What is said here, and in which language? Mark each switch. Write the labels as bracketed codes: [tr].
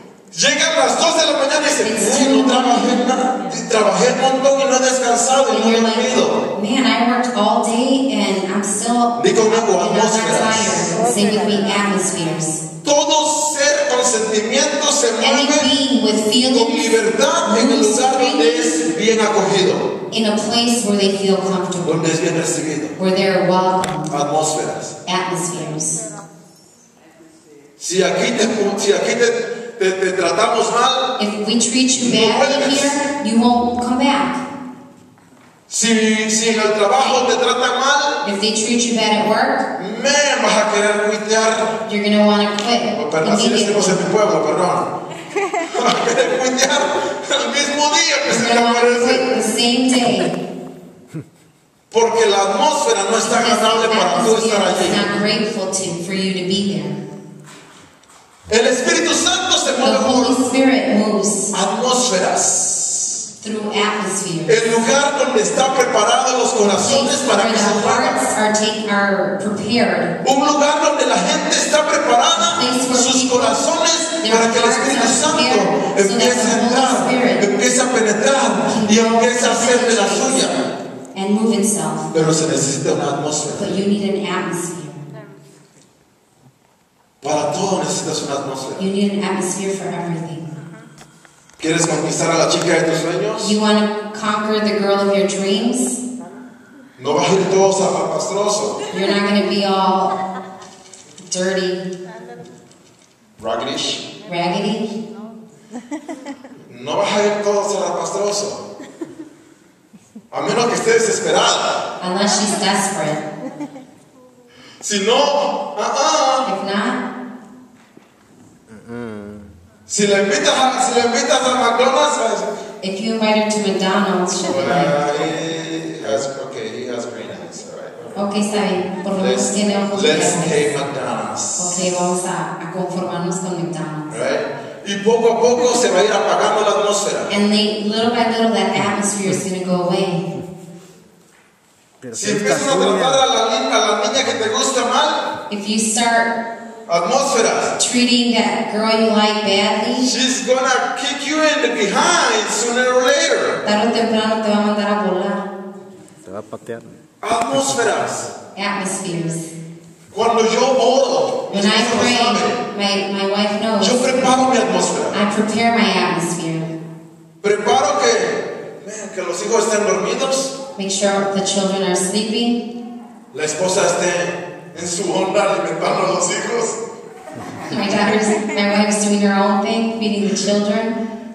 [es] Llegan las 2 de la mañana y dicen, sí, no trabajé nada. Trabajé un montón y no he descansado y no he dormido. [en] Like, man, I worked all day and I'm still [es] conmigo, [en] and I'm not tired. Say with me, atmospheres. [es] Todo ser con sentimientos se [en] any [es] mueve [en] being [es] con libertad en el lugar donde es bien acogido. [en] In a place where they feel comfortable. [es] Donde es bien recibido. [en] Where they're welcome. Atmospheres. Atmospheres. [es] Si aquí te... Te tratamos mal, [en] if we treat you bad [es] no [en] in here, you won't come back. [es] Si en el trabajo te tratan mal, [en] if they treat you bad at work, [es] man, vas a querer quitar. [en] You're going to want to quit. [es] Perdón, si estamos en mi pueblo, perdón. Vas a querer quitar el mismo día que se te aparece. [en] The same day. [es] Porque la atmósfera no está agradable para tú estar allí. [en] It's not grateful to, for you to be there. [es] El Espíritu Santo se mueve [en] the Holy Spirit moves [es] atmósferas [en] through atmospheres. [es] El lugar donde está preparado los corazones para que se [en] are prepared. [es] Un lugar donde la gente está preparada sus [en] people, [es] corazones para que el Espíritu Santo empiece a entrar, empiece a penetrar y empiece a hacer de la suya. [en] And move itself. [es] Pero se necesita una atmósfera. [en] But you need an atmosphere. [es] Para todo necesitas una atmósfera. [en] You need an atmosphere for everything. [es] ¿Quieres conquistar a la chica de tus sueños? [en] You want to conquer the girl of your dreams? [es] No vas a ir todo zapapastroso. [en] You're not going to be all dirty. Raggedy. [es] No vas a ir todo zapapastroso. A menos que esté desesperada. [en] Unless she's desperate. [es] Si no, [en] If not. [es] Si le invitas a McDonald's, [en] if you invite her to McDonald's, she'll be like, he has green eyes, alright. [es] Okay, está bien. Por lo menos tiene ojos verdes. [en] Let's take McDonald's. [es] Okay, vamos a conformarnos con McDonald's. [en] Right. [es] Y poco a poco se va a ir apagando la atmósfera. [en] And little by little, that atmosphere is going to go away. [es] Si empiezas a tratar a la niña que te gusta mal. [en] If you start [es] atmosferas [en] treating that girl you like badly, she's gonna kick you in the behind sooner or later. [es] Tarde o temprano te va a mandar a volar. Te va a patear. Atmósferas. [en] Atmospheres. [es] Cuando yo oro, [en] when I pray, my wife knows. [es] Yo preparo mi atmósfera. [en] I prepare my atmosphere. [es] Preparo que los hijos estén dormidos. [en] Make sure the children are sleeping. [es] La esposa esté en su onda alimentando a los hijos. [en] My wife's doing her own thing, feeding the children.